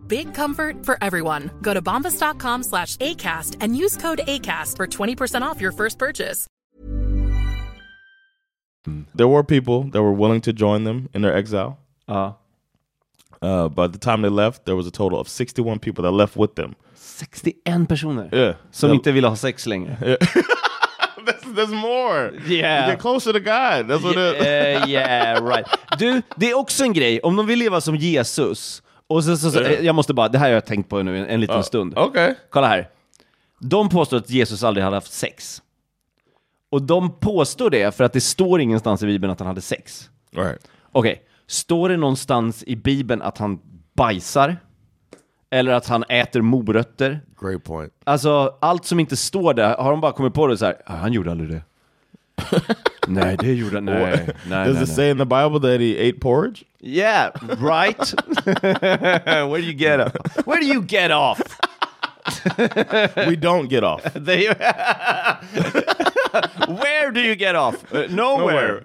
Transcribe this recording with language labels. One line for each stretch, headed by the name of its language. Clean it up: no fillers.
English: Big comfort for everyone. Go to bombas.com/ACAST and use code ACAST for 20% off your first purchase. There were people that were willing to join them in their exile. By the time they left, there was a total of 61 people that left with them.
Swedish: 61 personer?
English: Yeah.
Swedish: Som inte ville ha sex längre.
English: Yeah. There's more. Yeah. You get closer to God. That's what it is. Yeah, right.
Swedish: Du, det är också en grej. Om de vill leva som Jesus. Och så, jag måste bara, det här har jag tänkt på nu en liten stund.
English: Okay.
Swedish: Kolla här. De påstår att Jesus aldrig hade haft sex. Och de påstår det för att det står ingenstans i Bibeln att han hade sex. Right. Okej. Står det någonstans i Bibeln att han bajsar? Eller att han äter morötter?
English: Great point.
Swedish: Alltså, allt som inte står där, har de bara kommit på det så här, han gjorde aldrig det. Nej, det gjorde han. Nej, nej.
English: Does it say in the Bible that he ate porridge? Yeah, right. Where do you get off? Where do you get off? We don't get off. Where do you get off? Nowhere.